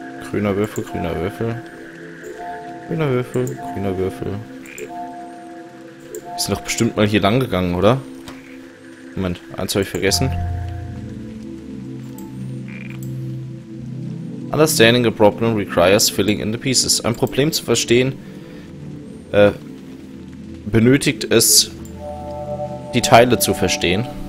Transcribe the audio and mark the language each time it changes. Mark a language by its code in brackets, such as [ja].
[de] Grüner Würfel, grüner Würfel. Grüner Würfel, grüner Würfel. Wir sind doch bestimmt mal hier lang gegangen, oder? Moment, eins habe ich vergessen. [en] Understanding a problem requires filling in the pieces. [de] Ein Problem zu verstehen, benötigt es, die Teile zu verstehen.